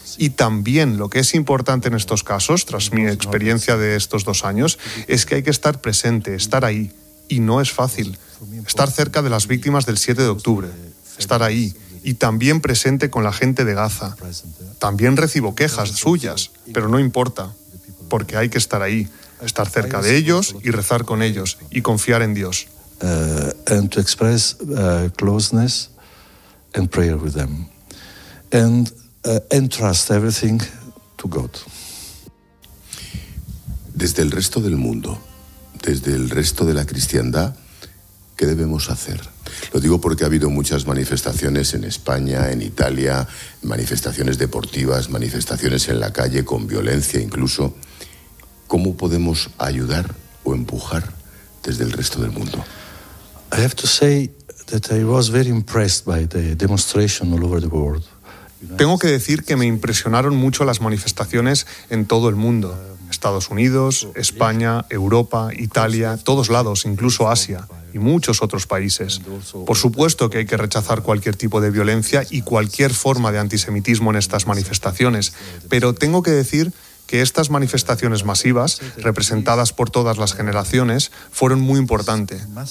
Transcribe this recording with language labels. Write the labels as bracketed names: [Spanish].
[Spanish] Y también lo que es importante en estos casos, tras mi experiencia de estos dos años, es que hay que estar presente, estar ahí. Y no es fácil. Estar cerca de las víctimas del 7 de octubre. Estar ahí. Y también presente con la gente de Gaza. También recibo quejas suyas, pero no importa. Porque hay que estar ahí. Estar cerca de ellos y rezar con ellos. Y confiar en Dios. [English] And to express closeness and prayer with them. And entrust everything to God. [Spanish] Desde el resto del mundo, desde el resto de la cristiandad, ¿qué debemos hacer? Lo digo porque ha habido muchas manifestaciones en España, en Italia, manifestaciones deportivas, manifestaciones en la calle con violencia incluso. ¿Cómo podemos ayudar o empujar desde el resto del mundo? [English] I have to say that I was very impressed by the demonstration all over the world. [Spanish] Tengo que decir que me impresionaron mucho las manifestaciones en todo el mundo. Estados Unidos, España, Europa, Italia, todos lados, incluso Asia y muchos otros países. Por supuesto que hay que rechazar cualquier tipo de violencia y cualquier forma de antisemitismo en estas manifestaciones, pero tengo que decir que estas manifestaciones masivas, representadas por todas las generaciones, fueron muy importantes.